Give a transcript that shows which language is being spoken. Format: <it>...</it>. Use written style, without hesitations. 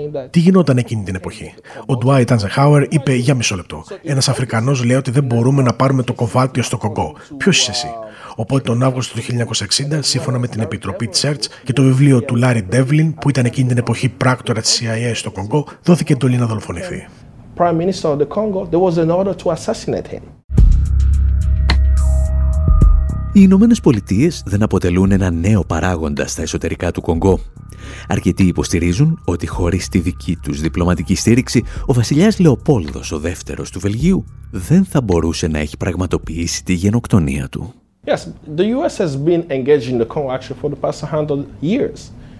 <el>Τι γινόταν εκείνη την εποχή? Ο Ντουάιτ Άιζενχάουερ είπε: για μισό λεπτό. Ένας Αφρικανός λέει ότι δεν μπορούμε να πάρουμε το κοβάλτιο στο Κονγκό. Ποιος είσαι εσύ? Οπότε τον Αύγουστο του 1960, σύμφωνα με την επιτροπή Τσέρτς και το βιβλίο του Λάρι Ντέβλιν, που ήταν εκείνη την εποχή πράκτορα της CIA στο Κονγκό, δόθηκε εντολή να δολοφονηθεί.</el> <en>Prime Minister of the Congo, there was an order to assassinate him.</en> <el>Οι Ηνωμένες Πολιτείες δεν αποτελούν ένα νέο παράγοντα στα εσωτερικά του Κονγκό. Αρκετοί υποστηρίζουν ότι χωρίς τη δική τους διπλωματική στήριξη, ο βασιλιάς Λεοπόλδος ο δεύτερος του Βελγίου δεν θα μπορούσε να έχει πραγματοποιήσει τη γενοκτονία του.</el> <en>Yes, the US has been engaged in the Congo actually for the past 100 years.</en>